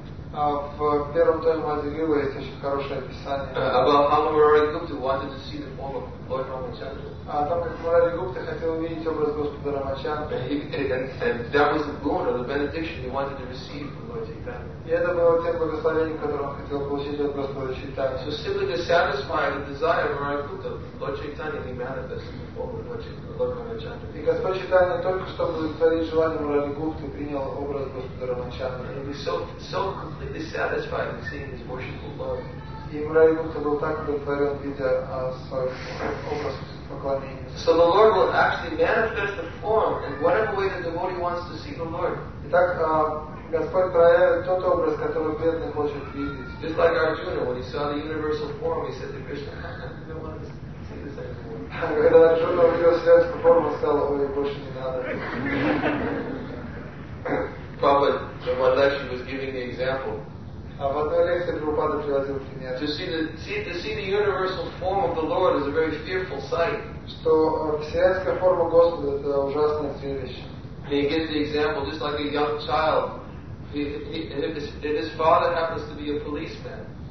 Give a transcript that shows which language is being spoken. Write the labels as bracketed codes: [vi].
[ru] В первом томе Мадхва-лилы есть очень хорошее описание. [en] About how Murari Gupta wanted to see the form of Lord Ramachandra. [ru] А там как Мурари Гупта хотел увидеть образ Господа Рамачандры. [en] And that was the boon or the benediction he wanted to receive from Lord Chaitanya. [ru] И это было тем благословением, которое он хотел получить от Господа Чайтаньи. [en] So simply to satisfy the desire of Murari Gupta, Lord Chaitanya he manifested the form of Lord Ramachandra. [ru] И Господь Чайтанья только что удовлетворил желание Мурари Гупты, принял образ Господа Рамачандры. [en] And he was so completely satisfied in seeing his worshipful Lord. [ru] И Мурари Гупта был так удовлетворен, видя свой образ поклонения. [en] So the Lord will actually manifest the form in whatever way the devotee wants to see the Lord. [ru] Итак, Господь проявит тот образ, который преданный хочет видеть. [en] Just like Arjuna, when he saw the universal form, he said to Krishna, I don't want to see this anymore. [ru] Когда Арджуна увидел светскую форму, он сказал, ой, больше не надо. [en] Prabhupada, in one lecture, was giving the example. To see the universal form of the Lord is a very fearful sight. [ru] Что вселенская форма Господа — это ужасное зрелище. [en] And he gives the example, just like a young child, if his father happens to be a policeman.